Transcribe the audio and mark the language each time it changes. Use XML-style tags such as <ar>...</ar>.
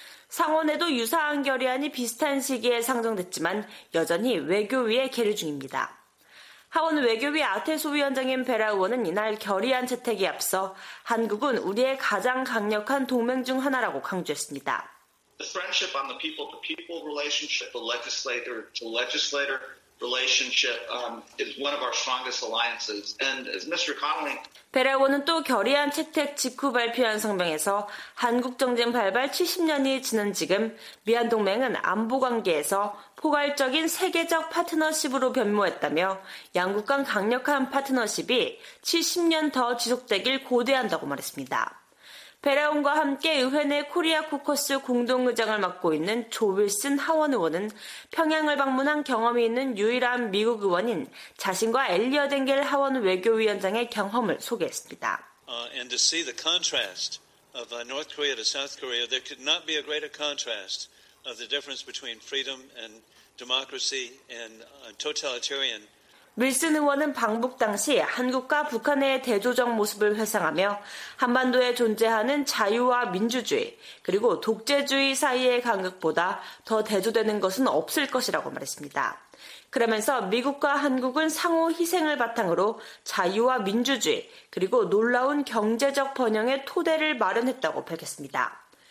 <ko>상원에도 유사한 결의안이 비슷한 시기에 상정됐지만 여전히 외교위에 계류 중입니다. 하원 외교위 아테소 위원장인 베라 의원은 이날 결의안 채택에 앞서 한국은 우리의 가장 강력한 동맹 중 하나라고 강조했습니다.</ko> <en>The friendship on the people-to-people relationship, the legislator-to-legislator relationship is one of our strongest alliances. And as Mr. Connelly,</en> <ko>베라 의원은 또 결의안 채택 직후 발표한 성명에서 한국 전쟁 발발 70년이 지난 지금 미한 동맹은 안보 관계에서 포괄적인 세계적 파트너십으로 변모했다며 양국 간 강력한 파트너십이 70년 더 지속되길 고대한다고 말했습니다. 베라온과 함께 의회 내 코리아 코커스 공동의장을 맡고 있는 조 윌슨 하원 의원은 평양을 방문한 경험이 있는 유일한 미국 의원인 자신과 엘리엇 앵겔 하원 외교위원장의 경험을 소개했습니다.</ko> <en>And to see the contrast of North Korea to South Korea, there could not be a greater contrast of the difference between freedom and democracy and totalitarian.</en> <ko>윌슨 의원은 방북 당시 한국과 북한의 대조적 모습을 회상하며 한반도에 존재하는 자유와 민주주의 그리고 독재주의 사이의 간극보다 더 대조되는 것은 없을 것이라고 말했습니다. 그러면서 미국과 한국은 상호 희생을 바탕으로 자유와 민주주의 그리고 놀라운 경제적 번영의 토대를 마련했다고 밝혔습니다.</ko>